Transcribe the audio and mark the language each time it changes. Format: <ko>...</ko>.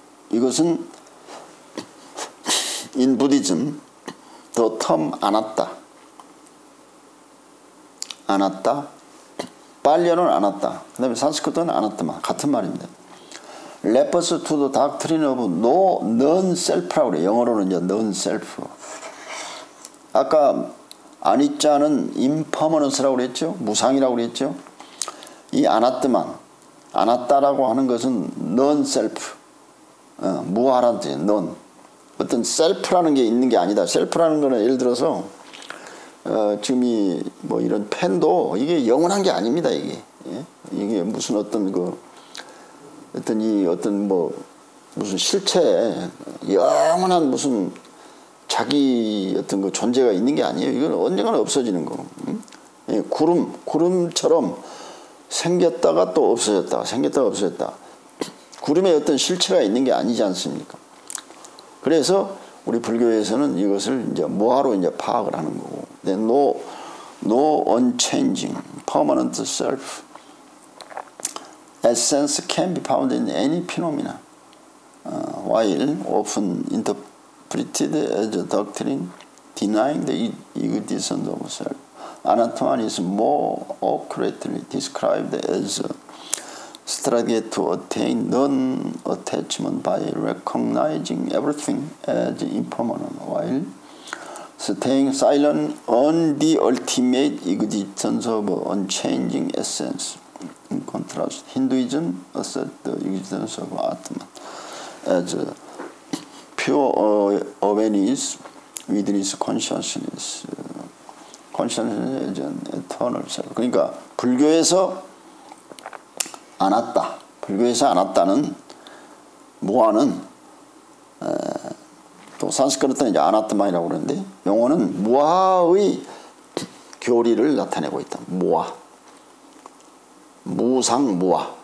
<ko>이것은 인 부디즘 더 텀 아나타. 아나타. 빨리어는 아나타. 그 다음에 산스크리트는 아나타만. 같은 말입니다.</ko> <en>Refers to the doctrine of no non-self</en> <ko>라고 그래. 영어로는 이제 non-self. 아까 아니짜는 impermanence라고 그랬죠. 무상이라고 그랬죠. 이 아나타만, 아나타라고 하는 것은 non-self. 무아라는 뜻이에요. non. 어떤 self라는 게 있는 게 아니다. self라는 거는 예를 들어서 지금 이 뭐 이런 펜도 이게 영원한 게 아닙니다. 이게 예? 이게 무슨 어떤 그 어떤 이 어떤 뭐 무슨 실체 영원한 무슨 자기 어떤 그 존재가 있는 게 아니에요. 이건 언젠가는 없어지는 거. 예, 구름, 구름처럼 생겼다가 또 없어졌다, 생겼다가 없어졌다. 구름의 어떤 실체가 있는 게 아니지 않습니까? 그래서 우리 불교에서는 이것을 이제 무아로 이제 파악을 하는 거고.</ko> <en>네, no unchanging, permanent self. Essence can be found in any phenomena. While often interpreted as a doctrine denying the existence of self, anatma is more accurately described as a strategy to attain non-attachment by recognizing everything as impermanent, while staying silent on the ultimate existence of unchanging essence. In contrast, Hinduism asserts the existence of Atman as a pure awareness within its consciousness. Consciousness is an eternal self.</en> <ko>그러니까 불교에서 안았다. 불교에서 안았다는 무아는 또 산스크리트는 이제 아나트만이라고 그러는데 용어는 무아의 교리를 나타내고 있다. 무아. 무상 무아.</ko>